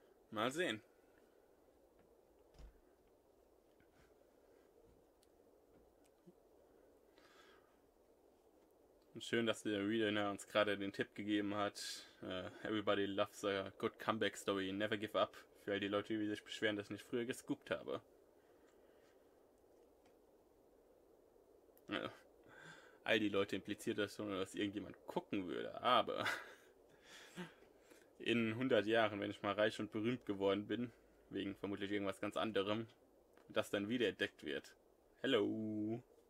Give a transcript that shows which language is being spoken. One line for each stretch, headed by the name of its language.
German: Mal sehen. Und schön, dass der Reader uns gerade den Tipp gegeben hat.
English: Everybody loves a good comeback story. Never give up.
German: Für all die Leute, die sich beschweren, dass ich nicht früher gescoopt habe. Ja. All die Leute impliziert das schon, dass irgendjemand gucken würde. Aber in 100 Jahren, wenn ich mal reich und berühmt geworden bin, wegen vermutlich irgendwas ganz anderem, das dann wieder entdeckt wird.
English: Hello.